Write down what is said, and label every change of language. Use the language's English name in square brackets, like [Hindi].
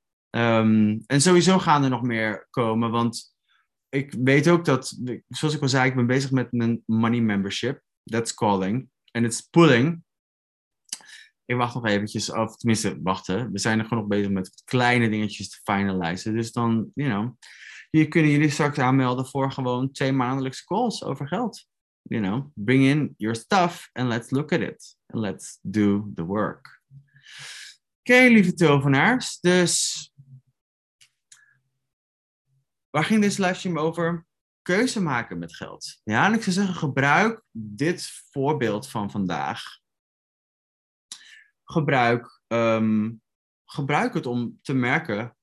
[Dutch] En sowieso gaan er nog meer komen, want ik weet ook dat, zoals ik al zei, ik ben bezig met mijn money membership. [English] That's calling. And it's pulling. [Dutch] Ik wacht nog eventjes, of tenminste, wachten. We zijn er gewoon nog bezig met kleine dingetjes te finalizen. Dus dan, [English] you know, [Dutch] hier kunnen jullie straks aanmelden voor gewoon 2 maandelijkse calls over geld. [English] You know, bring in your stuff and let's look at it. And let's do the work. [Dutch] Oké, lieve tovenaars. Dus, waar ging deze livestream over? Keuze maken met geld. Ja, en ik zou zeggen, gebruik dit voorbeeld van vandaag. Gebruik het om te merken.